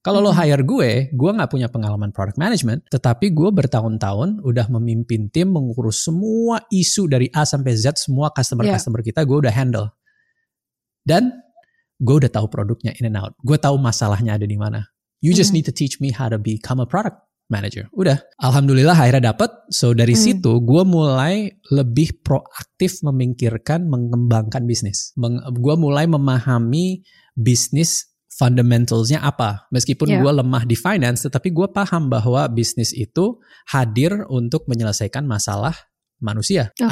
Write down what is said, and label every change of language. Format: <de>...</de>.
<id>Kalau lo hire gue gak punya pengalaman product management, tetapi gue bertahun-tahun udah memimpin tim mengurus semua isu dari A sampai Z, semua customer-customer kita gue udah handle. Dan gue udah tahu produknya</id> <en>in and out.</en> <id>Gue tahu masalahnya ada di mana.</id> <en>You just need to teach me how to become a product manager.</en> <id>Udah. Alhamdulillah akhirnya dapet. So dari situ gue mulai lebih proaktif memikirkan mengembangkan bisnis. Gue mulai memahami bisnis fundamentalsnya apa. Meskipun gue lemah di finance, tetapi gue paham bahwa bisnis itu hadir untuk menyelesaikan masalah manusia. Okay.</id>